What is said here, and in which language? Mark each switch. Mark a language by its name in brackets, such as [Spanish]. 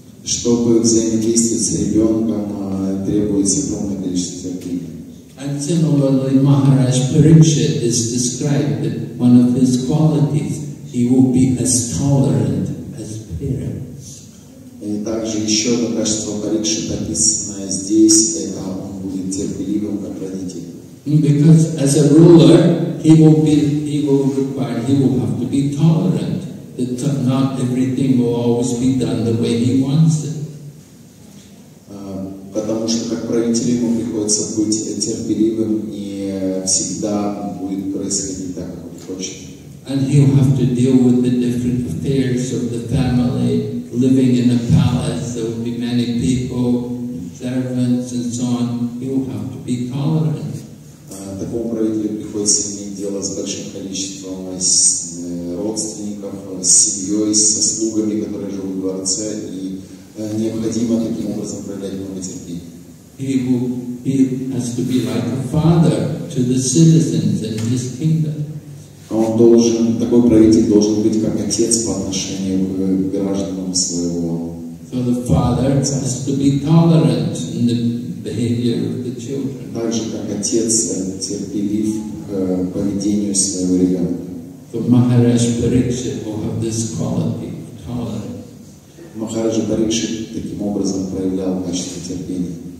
[Russian] Чтобы взаимодействовать с ребенком, требуется огромное количество терпения. [English] And similarly, Maharaj Parikshit is described that one of his qualities, he will be as tolerant as parents. [Russian] И также еще одно качество Парикшита описанное здесь, это он будет терпеливым как родитель. [English] Because as a ruler, he will have to be tolerant. That not everything will always be done the way he wants it. [Russian] Потому что как правителю ему приходится быть терпеливым и всегда будет происходить так, как он хочет. [English] And he'll have to deal with the different affairs of the family, living in a palace, there will be many people, servants and so on. He'll have to be tolerant. [Russian] Такому правителю приходится иметь дело с большим количеством родственников, с семьей, со слугами, которые живут в дворце, и необходимо таким образом проявлять много терпения. [English] He has to be like a father to the citizens in his kingdom. [Russian] Он такой правитель должен быть как отец по отношению к гражданам своего. [English] So the father has to be tolerant in the behavior of the children. [Russian] Также как отец терпелив к поведению своего ребенка. [English] So Maharaj Parikshit will have this quality of tolerance. [Russian] Махараджа Парикшит таким образом проявлял качество терпения.